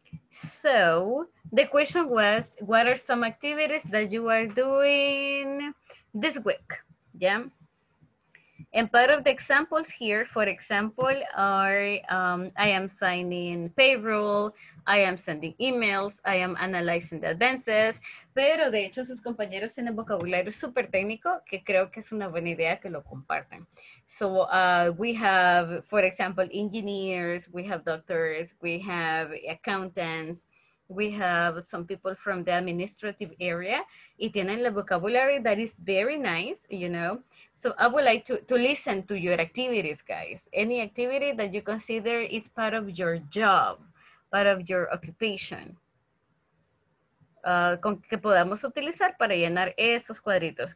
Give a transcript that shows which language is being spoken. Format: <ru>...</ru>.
<en>So the question was, what are some activities that you are doing this week? Yeah. And part of the examples here, for example, are I am signing payroll, I am sending emails, I am analyzing the advances.</en> <es>Pero de hecho, sus compañeros tienen vocabulario súper técnico que creo que es una buena idea que lo compartan.</es> <en>So we have, for example, engineers, we have doctors, we have accountants, we have some people from the administrative area.</en> <es>Y tienen el vocabulario</es> <en>that is very nice, you know. So I would like to listen to your activities, guys. Any activity that you consider is part of your job, part of your occupation.</en> <es>Con que podamos utilizar para llenar esos cuadritos.</es>